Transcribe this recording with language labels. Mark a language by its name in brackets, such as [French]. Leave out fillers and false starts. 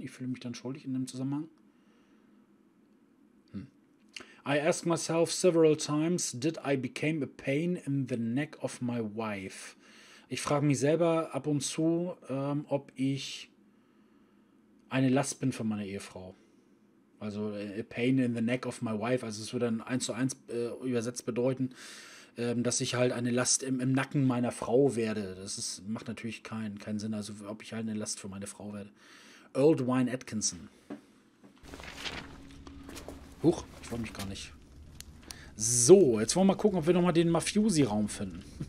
[German] Ich fühle mich dann schuldig in dem Zusammenhang. [English] I ask myself several times, did I became a pain in the neck of my wife? [German] Ich frage mich selber ab und zu, ob ich eine Last bin für meine Ehefrau. [English] Also a pain in the neck of my wife. [German] Also es würde dann 1:1 übersetzt bedeuten, dass ich halt eine Last im Nacken meiner Frau werde. Das ist, macht natürlich keinen Sinn. Also ob ich halt eine Last für meine Frau werde. [English] Earl Dwayne Atkinson. [German] Huch, ich wollte mich gar nicht. So, jetzt wollen wir mal gucken, ob wir nochmal den Mafiosi-Raum finden.